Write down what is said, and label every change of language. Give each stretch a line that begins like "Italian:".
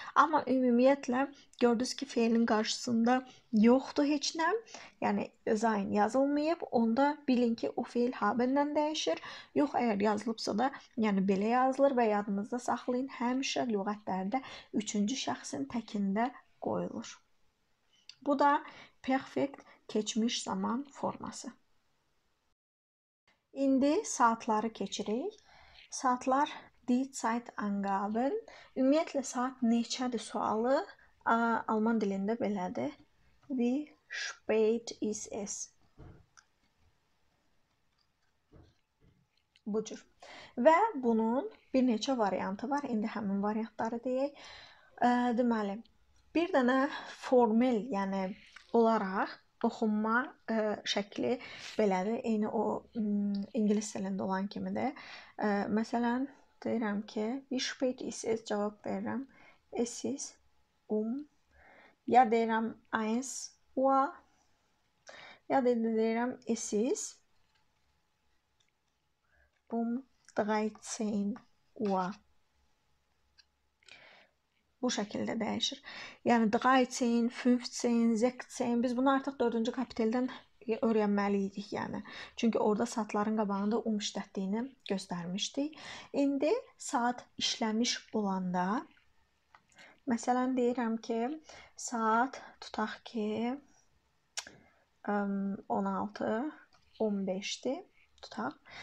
Azerbaijani: Amma ümumiyyətlə gördünüz ki, fellin qarşısında yoxdur heç nə. Yəni zain yazılmayıb. Onda bilin ki, o fell abəndən dəyişir. Yox, əgər yazılıbsa da, yəni belə yazılır və yadınızda saxlayın. Həmişə lüğətlərdə üçüncü şəxsin təkində qoyulur. Bu da perfect keçmiş zaman forması. İndi saatları keçirik.
German: Saatlar die Zeit angaben.
Azerbaijani: Ümumiyyətlə saat neçədir sualı alman dilində belədir.
German: Wie spät ist es?
Azerbaijani: Bu cür. Və bunun bir neçə variantı var. İndi həmin variantları deyək. Deməli, bir dənə formel, yəni olaraq oxunma şəkli belədir. Eyni o ingilis dilində olan kimi də. Məsələn, deyirəm ki,
German: wie spät ist es?
Azerbaijani: Cavab verirəm.
German: Es ist
Azerbaijani: ya deyirəm
German: eins Uhr ya deyirəm es ist dreizehn Uhr.
Azerbaijani: Bu şəkildə dəyişir. Yəni, 13, 15, 16, biz bunu artıq 4-cü kapiteldən öyrənməliydik, yəni. Çünki orada saatların qabağında işlətdiyini göstərmişdik. İndi saat işləmiş olanda, məsələn, deyirəm ki, saat tutaq ki, 16, 15-di, tutaq.